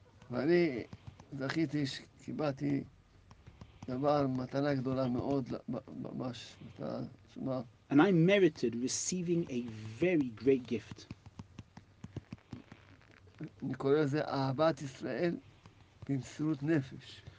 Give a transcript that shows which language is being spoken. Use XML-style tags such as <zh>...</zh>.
<he>ואני זכיתי שקיבלתי דבר, מתנה גדולה מאוד, ממש, מתנה עצומה.</he> <en>And I merited receiving a very great gift.</en> <he>אני קורא לזה אהבת ישראל במסירות נפש.</he>